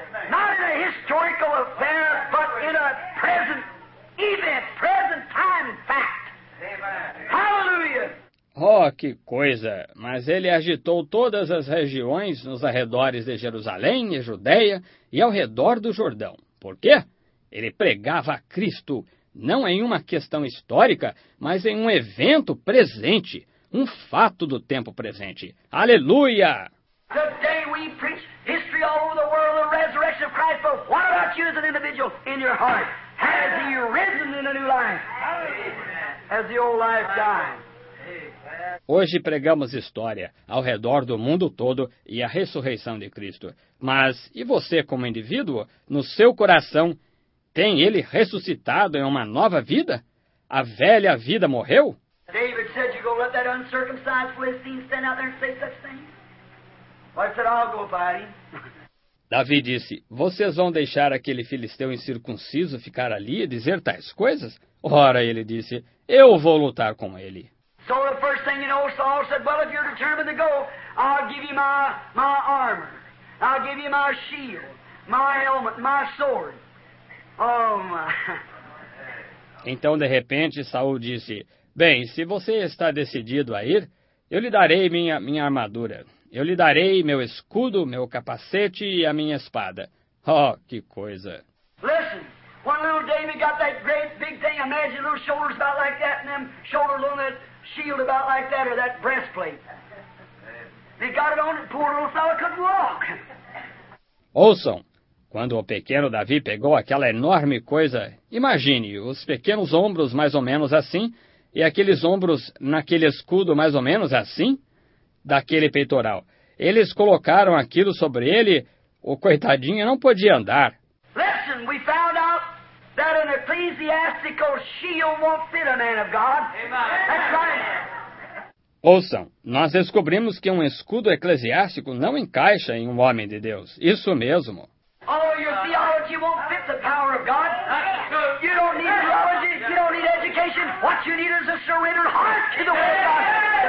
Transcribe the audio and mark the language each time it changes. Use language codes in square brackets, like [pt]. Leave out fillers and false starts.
[en] Not in a historical affair, but in a present event, present time fact. Hallelujah! [pt] Oh, que coisa! Mas ele agitou todas as regiões nos arredores de Jerusalém e Judéia e ao redor do Jordão. Por quê? Ele pregava a Cristo, não em uma questão histórica, mas em um evento presente, um fato do tempo presente. Aleluia! [en] Today we preach history all over the world, the resurrection of Christ, but what about you as an individual in your heart? Has he risen in a new life? Has the old life died? [pt] Hoje pregamos história ao redor do mundo todo e a ressurreição de Cristo. Mas, e você como indivíduo, no seu coração, tem ele ressuscitado em uma nova vida? A velha vida morreu? [en] David said you go let that uncircumcised Philistine stand out there and say such things. Well, I said I'll go by him. [pt] Davi disse, vocês vão deixar aquele filisteu incircunciso ficar ali e dizer tais coisas? Ora, ele disse, eu vou lutar com ele. [en] So the first thing you know, Saul said, well, if you're determined to go, I'll give you my armor. I'll give you my shield, my helmet, my sword. Oh, my. [pt] Então, de repente, Saul disse, bem, se você está decidido a ir, eu lhe darei minha armadura. Eu lhe darei meu escudo, meu capacete e a minha espada. Oh, que coisa. [en] Listen. When little David got that great big thing, imagine little shoulders about like that and them shoulders on that shield about like that or that breastplate. He got it on and poor little fellow couldn't walk. [pt] Ouçam, quando o pequeno Davi pegou aquela enorme coisa, imagine os pequenos ombros mais ou menos assim e aqueles ombros naquele escudo mais ou menos assim daquele peitoral. Eles colocaram aquilo sobre ele, o coitadinho não podia andar. [en] Listen, we found out that an ecclesiastical shield won't fit a man of God. Amen. That's right. [pt] Ouçam, nós descobrimos que um escudo eclesiástico não encaixa em um homem de Deus. Isso mesmo. [en] Oh, your theology won't fit the power of God. You don't need theology, you don't need education. What you need is a surrendered heart to the will of God.